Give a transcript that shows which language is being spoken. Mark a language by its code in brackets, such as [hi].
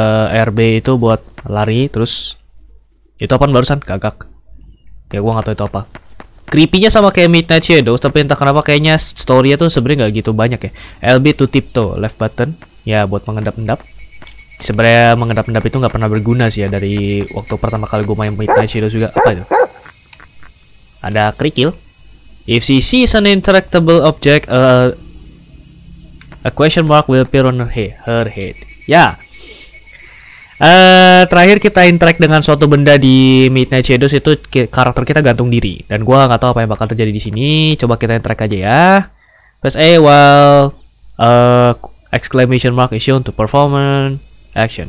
[id] RB itu buat lari, terus... Itu apaan barusan? Gagak. Ya, gua gak tahu itu apa. Creepy-nya sama kayak Midnight Shadows, tapi entah kenapa kayaknya story-nya tuh sebenarnya gak gitu banyak ya. [en] LB to tiptoe, left button. Ya, [id] buat mengendap-endap. Sebenarnya mengendap-endap itu gak pernah berguna sih ya, dari waktu pertama kali gue main Midnight Shadows juga. Apa itu? Ada kerikil. [en] If she sees an interactable object, a question mark will appear on her head. Ya. Yeah. [id] Terakhir kita interact dengan suatu benda di Midnight Shadows itu karakter kita gantung diri. Dan gue gak tahu apa yang bakal terjadi di sini. Coba kita interact aja ya. [en] Press A while exclamation mark is shown to perform action.